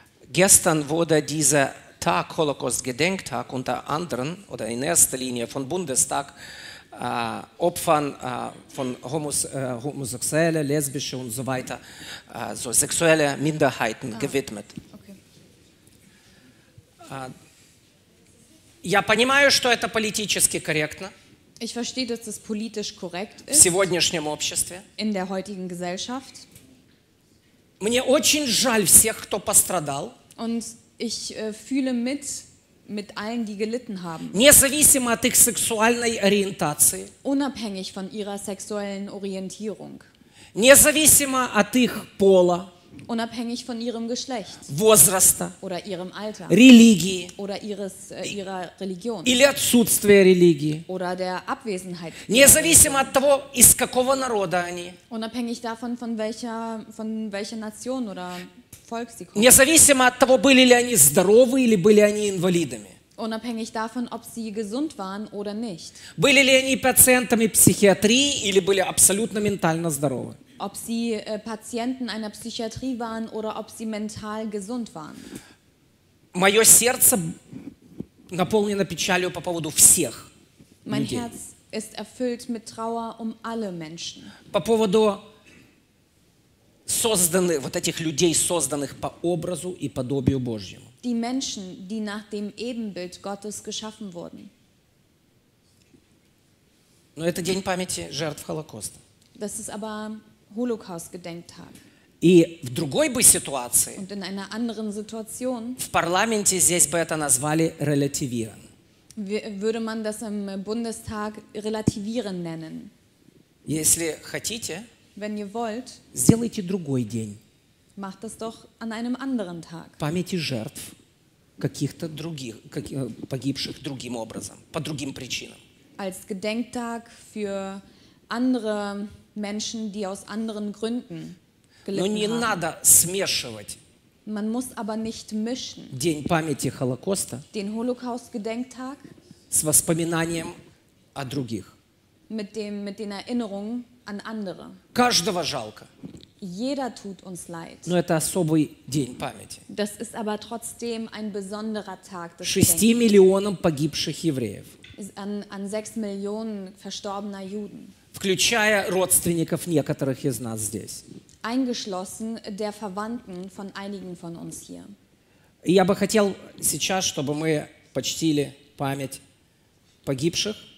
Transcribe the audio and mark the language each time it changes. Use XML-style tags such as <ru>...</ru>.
<de>Gestern wurde dieser Tag, Holocaust-Gedenktag, unter anderem oder in erster Linie von Bundestag Opfern von homosexuelle, lesbische und so weiter, so sexuelle Minderheiten gewidmet. Okay.</de> <ru>Я понимаю, что это политически корректно.</ru> <de>Ich verstehe, dass das politisch korrekt ist.</de> <ru>В сегодняшнем обществе.</ru> <de>In der heutigen Gesellschaft.</de> <ru>Мне очень жаль всех, кто пострадал.</ru> <de>Und ich fühle mit allen, die gelitten haben.</de> <ru>Независимо от их сексуальной ориентации.</ru> <de>Unabhängig von ihrer sexuellen Orientierung.</de> <ru>Независимо от их пола.</ru> <de>Unabhängig von ihrem Geschlecht.</de> <ru>Возраста.</ru> <de>Oder ihrem Alter.</de> <ru>Религии.</ru> <de>Oder ihrer Religion.</de> <ru>Или отсутствия религии.</ru> <de>Oder der Abwesenheit.</de> <ru>Независимо от того, из какого народа они.</ru> <de>Unabhängig davon, von welcher Nation oder</de> <ru>независимо от того, были ли они здоровы или были они инвалидами.</ru> <de>Unabhängig davon, ob sie gesund waren oder nicht.</de> <ru>Были ли они пациентами психиатрии или были абсолютно ментально здоровы.</ru> <de>Ob sie Patienten einer Psychiatrie waren oder ob sie mental gesund waren.</de> <ru>Мое сердце наполнено печалью по поводу всех людей.</ru> <de>Mein Herz ist erfüllt mit Trauer um alle Menschen.</de> <ru>По поводу созданы вот этих людей, созданных по образу и подобию Божьему.</ru> <de>Die Menschen, die nach dem Ebenbild Gottes geschaffen wurden.</de> <ru>Но это день памяти жертв Холокоста.</ru> <de>Das ist aber Holocaust-Gedenktag.</de> <ru>И в другой бы ситуации,</ru> <de>und in einer anderen Situation,</de> <ru>в парламенте здесь бы это назвали релятивирован.</ru> <de>Würde man das im Bundestag relativieren nennen.</de> <ru>Если хотите,</ru> <de>wenn ihr wollt,</de> <ru>сделайте другой день.</ru> <de>Macht das doch an einem anderen Tag.</de> <ru>Памяти жертв каких-то других, погибших другим образом, по другим причинам.</ru> <de>Als Gedenktag für andere Menschen, die aus anderen Gründen gelitten haben.</de> <ru>не надо смешивать.</ru> <de>Man muss aber nicht mischen.</de> <ru>День памяти Холокоста.</ru> <de>Den Holocaust-Gedenktag.</de> <ru>С воспоминанием о других.</ru> <de>Mit den Erinnerungen an andere.</de> <ru>Каждого жалко.</ru> <de>Jeder tut uns leid.</de> <ru>Но это особый день памяти.</ru> <de>Das ist aber trotzdem ein besonderer Tag des Gedenkens.</de> <ru>6 миллионам погибших евреев.</ru> <de>An 6 Millionen verstorbener Juden.</de> <ru>Включая родственников некоторых из нас здесь.</ru> <de>Eingeschlossen der Verwandten von einigen von uns hier.</de> <ru>Я бы хотел сейчас, чтобы мы почтили память погибших.</ru>